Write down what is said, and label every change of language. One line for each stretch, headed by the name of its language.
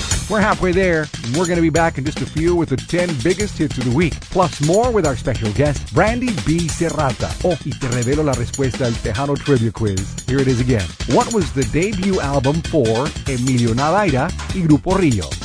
English: We're halfway there and we're going to be back in just a few with the 10 biggest hits of the week. Plus more with our special guest, Brandy B. Serrata.
Spanish: Oh, y te revelo la respuesta al Tejano Trivia Quiz.
English: Here it is again. What was the debut album for Emilio Navaira y Grupo Río?